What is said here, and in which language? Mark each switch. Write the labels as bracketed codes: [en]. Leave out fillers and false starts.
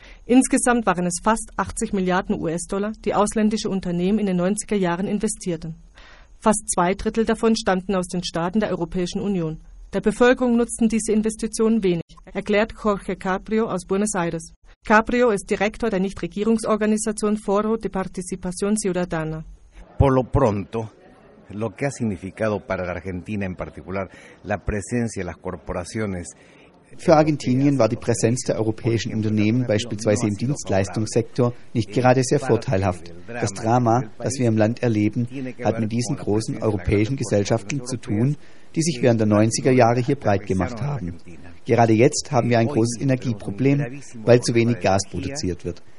[de] Insgesamt waren es fast 80 Milliarden US-Dollar, die ausländische Unternehmen in den 90er Jahren investierten. Fast 2/3 davon stammten aus den Staaten der Europäischen Union. Der Bevölkerung nutzten diese Investitionen wenig, erklärt Jorge Caprio aus Buenos Aires. Caprio ist Direktor der Nichtregierungsorganisation Foro de Participación Ciudadana. [es] Por lo pronto, lo que ha significado para la Argentina en particular la presencia de las corporaciones. [de] Für Argentinien war die Präsenz der europäischen Unternehmen beispielsweise im Dienstleistungssektor nicht gerade sehr vorteilhaft. Das Drama, das wir im Land erleben, hat mit diesen großen europäischen Gesellschaften zu tun, die sich während der 90er Jahre hier breit gemacht haben. Gerade jetzt haben wir ein großes Energieproblem, weil zu wenig Gas produziert wird.